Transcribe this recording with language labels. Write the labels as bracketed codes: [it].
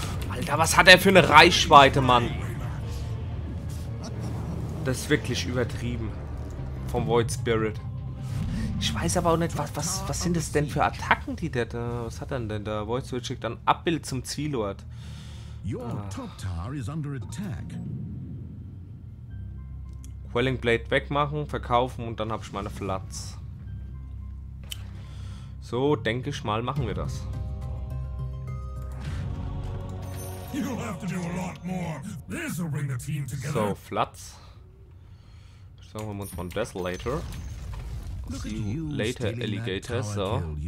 [de] Alter, was hat er für eine Reichweite, Mann? Das ist wirklich übertrieben. Vom Void Spirit. Ich weiß aber auch nicht, was sind das denn für Attacken, die der da. Was hat er denn da? Void Spirit schickt dann Abbild zum Zielort. [en] Your top tower is under attack. [de] Quelling Blade wegmachen, verkaufen und dann habe ich meine Flats. So, denke ich mal, machen wir das. [en] You'll have to do a lot more. This will bring the team together. [de] So, Flats. Sagen wir uns von Desolator. [en] Later Alligator, [de] so.